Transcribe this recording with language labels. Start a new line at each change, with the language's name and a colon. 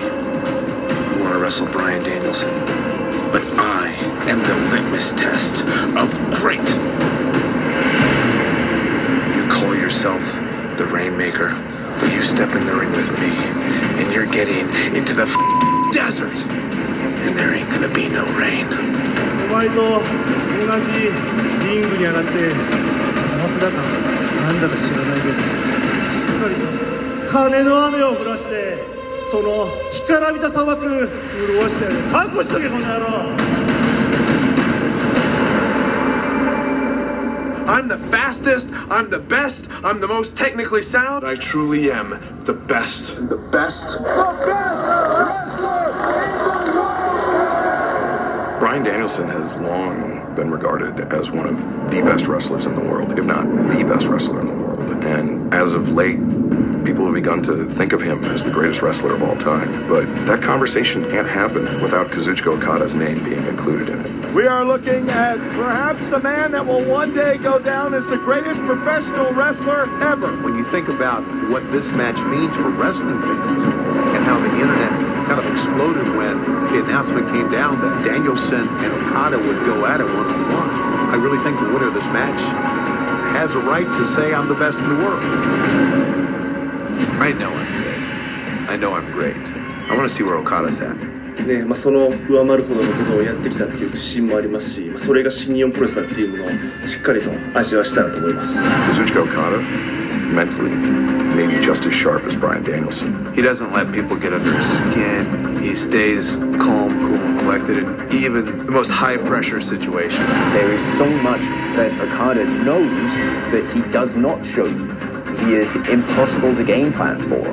English: You want to wrestle Bryan Danielson. But I am the litmus test of great. You call yourself the Rainmaker. You step in the ring with me, and you're getting into the desert. And there ain't gonna be no rain.
Japanese: お前と同じリングに上がって砂漠だかなんだか知らないけど、しっかりと金の雨を降らして、その干からびた砂漠を潤して覚悟しとけ、この野郎。
English: I'm the fastest, I'm the best, I'm the most technically sound. I truly am the best. The best? The best wrestler in the world! Bryan Danielson has long been regarded as one of the best wrestlers in the world, if not the best wrestler in the world. And as of late, people have begun to think of him as the greatest wrestler of all time. But that conversation can't happen without Kazuchika Okada's name being included in it. We are looking at perhaps the man that will one day go down as the greatest professional wrestler ever. When you think about what this match means for wrestling fans and how the internet kind of exploded when the announcement came down that Danielson and Okada would go at it one-on-one, I really think the winner of this match has a right to say I'm the best in the world. I know I'm good. I know I'm great. I want to see where Okada's at.
Japanese: ね、まあ、その上回るほどのことをやってきたっていう自信もありますし、まあ、それが新日本プロレスだっていうものをしっかりと味わしたらと思います。
English: Kazuchika Okada, mentally, maybe just as sharp as Bryan Danielson. He doesn't let people get under his skin. He stays calm, cool, and collected in even the most high-pressure situation. There is so much that Okada knows that he does not show you. He is impossible to game plan for.